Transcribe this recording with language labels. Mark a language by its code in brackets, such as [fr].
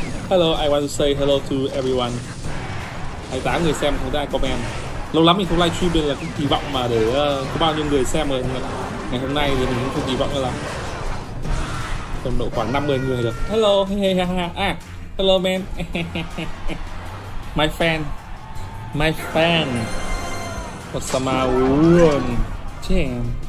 [en] Hello, I want to say hello to everyone. [vi] Hãy tám người xem chúng ta comment. Lâu lắm mình không live stream nên là cũng kỳ vọng mà để có bao nhiêu người xem rồi. Ngày hôm nay thì mình cũng không kỳ vọng là tầm độ khoảng 50 người được. [en] Hello, hey, hello man. My fan, what's the matter? Damn.